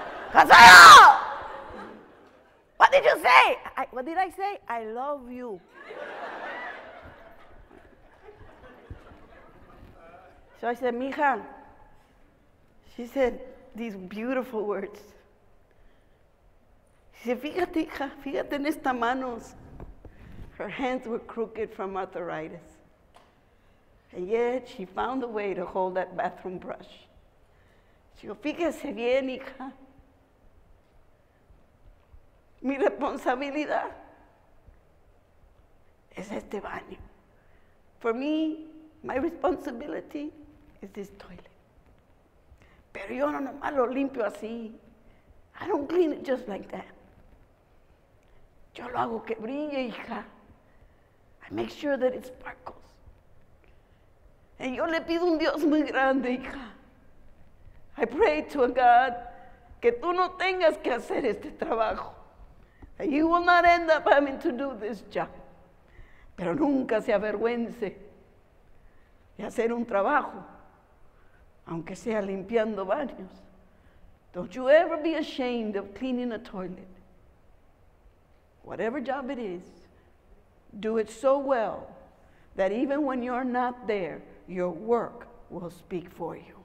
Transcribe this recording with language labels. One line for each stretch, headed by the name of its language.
English: Consuelo! What did you say? What did I say? I love you. So I said, mija, she said these beautiful words. She said,
Spanish: fíjate, hija, fíjate en estas manos.
English: Her hands were crooked from arthritis. And yet, she found a way to hold that bathroom brush. She goes,
Spanish: fíjese bien, hija. Mi responsabilidad es este baño.
English: For me, my responsibility is this toilet.
Spanish: Pero yo no nomás lo limpio así.
English: I don't clean it just like that.
Spanish: Yo lo hago que brille, hija.
English: I make sure that it sparkles. And
Spanish: yo le pido un Dios muy grande, hija.
English: I pray to a God
Spanish: que tú no tengas que hacer este trabajo.
English: And you will not end up having to do this job.
Spanish: Pero nunca se avergüence de hacer un trabajo, aunque sea limpiando baños.
English: Don't you ever be ashamed of cleaning a toilet. Whatever job it is, do it so well that even when you're not there, your work will speak for you.